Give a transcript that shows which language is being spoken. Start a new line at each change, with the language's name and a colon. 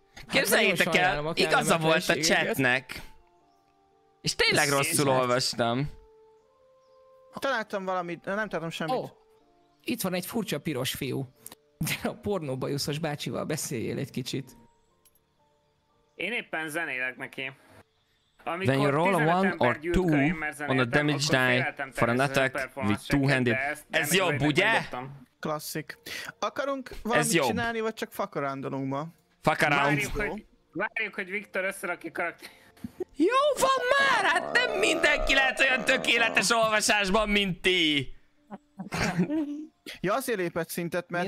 Hungarian: Képzeljétek el, igaza volt a chatnek. És tényleg rosszul olvastam. Találtam valamit, nem tartom semmit. Itt van egy furcsa piros fiú. De a pornóbajuszos bácsival beszéljél egy kicsit. Én éppen zenélek neki. Amikor
English: when you roll a one or two on a damage die for an attack with two-handed.
Hungarian: Ez jobb, ugye? Klasszik. Akarunk valamit csinálni, vagy csak
English: fuck around-
Hungarian: olunk ma?
English: Fuck around.
Hungarian: Várjuk, hogy Viktor összerakja karakter. Jó van már! Hát nem mindenki lehet olyan tökéletes olvasásban, mint ti! Ja, azért lépett szintet, mert